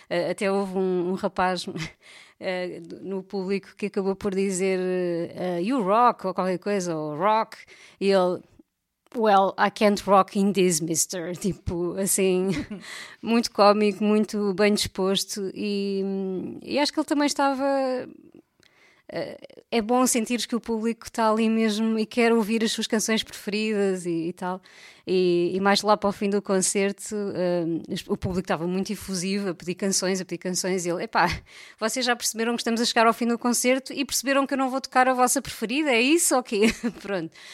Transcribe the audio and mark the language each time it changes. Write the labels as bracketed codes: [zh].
[pt] Até houve um rapaz no público que acabou por dizer [en] you rock, [pt] ou qualquer coisa, ou rock, e ele... [en] Well, I can't rock in this, mister. [pt] Tipo, assim, muito cómico, muito bem disposto. E acho que ele também estava... É bom sentir que o público está ali mesmo e quer ouvir as suas canções preferidas e tal. E mais lá para o fim do concerto, o público estava muito efusivo a pedir canções. E ele, epá, vocês já perceberam que estamos a chegar ao fim do concerto e perceberam que eu não vou tocar a vossa preferida, é isso ou quê? Pronto.